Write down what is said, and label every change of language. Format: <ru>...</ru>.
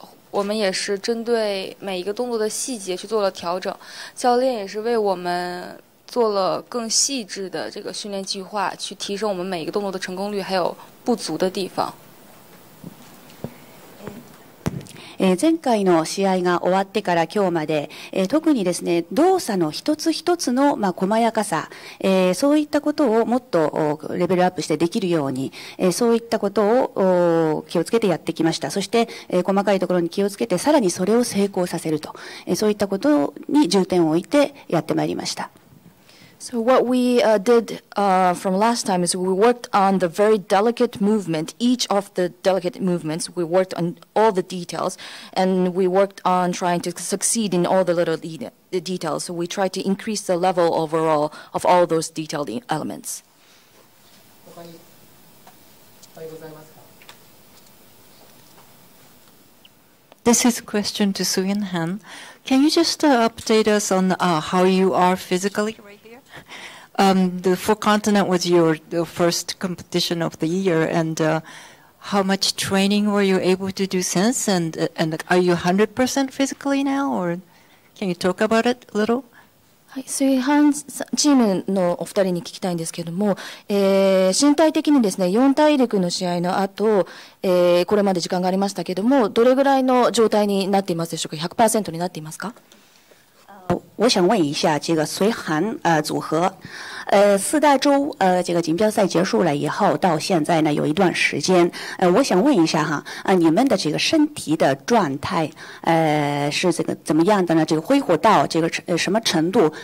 <zh>我们也是针对每一个动作的细节去做了调整，教练也是为我们做了更细致的这个训练计划，去提升我们每一个动作的成功率，还有不足的地方。</zh> <ja>前回の試合が終わってから今日まで、特にですね、動作の一つ一つの細やかさ、そういったことをもっとレベルアップしてできるように、そういったことを気をつけてやってきました。そして、細かいところに気をつけて、さらにそれを成功させると、そういったことに重点を置いてやってまいりました。</ja> <en>So what we did from last time is we worked on the very delicate movement, each of the delicate movements. We worked on all the details, and we worked on trying to succeed in all the little details. So we tried to increase the level overall of all those detailed elements. This is a question to Suyin Han. Can you just update us on how you are physically right here? The four continent was your first competition of the year, and how much training were you able to do since? And are you 100% physically now, or can you talk about it a little?</en> <ja>はい、水半チームのお二人に聞きたいんですけども、身体的にですね、四大陸の試合の後、これまで時間がありましたけども、どれぐらいの状態になっていますでしょうか ？100% になっていますか？</ja> <zh>我想问一下，这个随韩组合，四大洲这个锦标赛结束了以后，到现在呢有一段时间，我想问一下哈，你们的这个身体的状态，是这个怎么样的呢？这个恢复到这个什么程度？</zh>